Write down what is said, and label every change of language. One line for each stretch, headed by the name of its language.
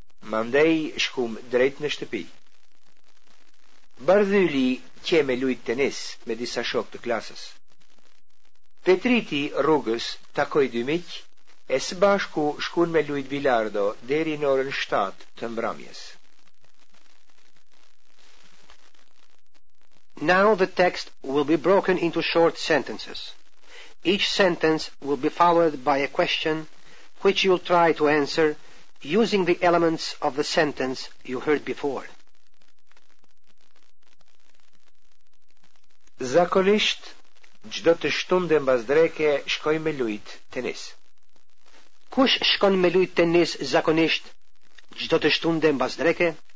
Albanian: Mandej shkum drejt në shtëpi. Bardhyli qe me lujt tenis me disa shok të klasës. Petriti rrugës takoj dy miq e së bashku shkun me lujt bilardo deri në orën 7 të mbrëmjes.
English: Now the text will be broken into short sentences. Each sentence will be followed by a question which you'll try to answer using the elements of the sentence you heard before.
Albanian: Zakonisht, çdo të shtunde mbas dreke, shkoj me lujt tenis. Kush shkon me lujt tenis zakonisht, çdo të shtunde mbas dreke?